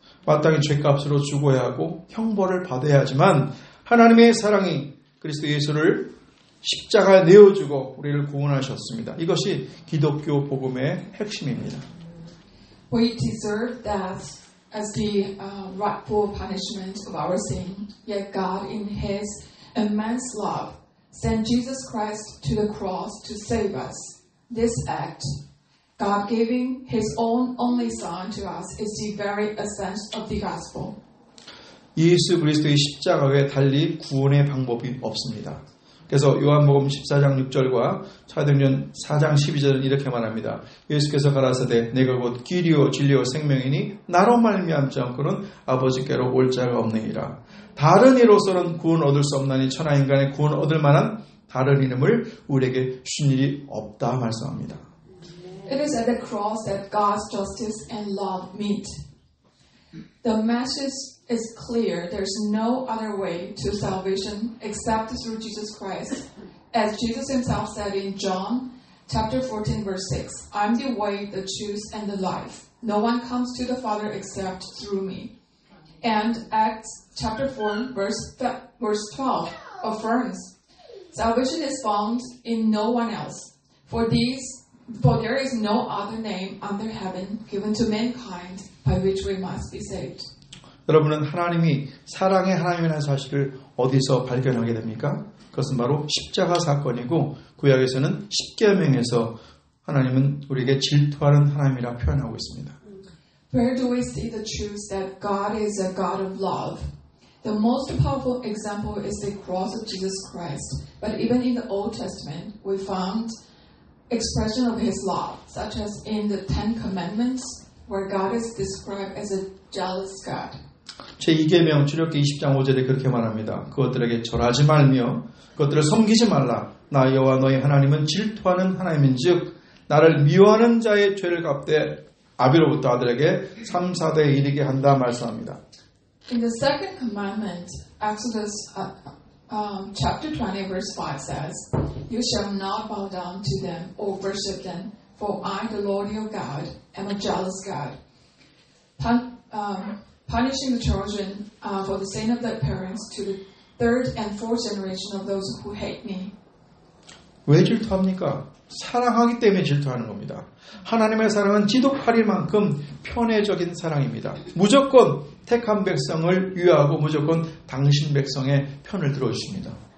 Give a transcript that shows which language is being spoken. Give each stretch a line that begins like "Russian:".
Korean: 마땅히 죄값으로 죽어야 하고 형벌을 받아야 하지만 하나님의 사랑이 그리스도 예수를 십자가에 내어주고 우리를 구원하셨습니다. 이것이 기독교 복음의 핵심입니다.
English: We deserve death as the rightful punishment of our sin. Yet God, in His immense love, sent Jesus Christ to the cross to save us. This act, God giving His own only Son to us, is the very essence of the gospel.
Korean: 예수 그리스도의 십자가 외에 달리 구원의 방법이 없습니다. 그래서 요한복음 14장 6절과 사도행전 4장 12절은 이렇게 말합니다. 예수께서 가라사대 내가 곧 길이요 진리요 생명이니 나로 말미암지 않고는 아버지께로 올 자가 없느니라. 다른 이로서는 구원 얻을 수 없나니 천하 인간의 구원 얻을 만한 다른 이름을 우리에게 주신 일이 없다 말씀합니다.
English: It is at the cross that God's justice and love meet. The message is clear. There's no other way to salvation except through Jesus Christ. As Jesus himself said in John chapter 14 verse 6, I'm the way, the truth, and the life. No one comes to the Father except through me. And Acts chapter 4 verse 12 affirms, salvation is found in no one else. For there is no other name under heaven given to mankind by which we must be saved.
Korean: 여러분은 하나님이 사랑의 하나님이라는 사실을 어디서 발견하게 됩니까? 그것은 바로 십자가 사건이고 구약에서는 십계명에서 하나님은 우리에게 질투하는 하나님이라 표현하고 있습니다.
English: Where do we see the truth that God is a God of love? The most powerful example is the cross of Jesus Christ. But even in the Old Testament, we found expression of His love, such as in the Ten Commandments, where God is described as a jealous God.
Korean: 제2계명 출애굽기 20장 5절에 그렇게 말합니다. 그것들에게 절하지 말며 그것들을 섬기지 말라. 나 여호와 너희 하나님은 질투하는 하나님인즉 나를 미워하는 자의 죄를 갚되 아비로부터 아들에게 3사대에 이르게 한다 말씀합니다.
English: In the second commandment, Exodus chapter 20 verse 5 says, You shall not bow down to them or worship them, for I the Lord your God am a jealous God. Punishing the children for the sin of their parents to the third and fourth generation of those who hate me.
Korean: 왜 질투합니까? 사랑하기 때문에 질투하는 겁니다. 하나님의 사랑은 지독할 만큼 편애적인 사랑입니다. 무조건 택한 백성을 위하고 무조건 당신 백성의 편을 들어주십니다.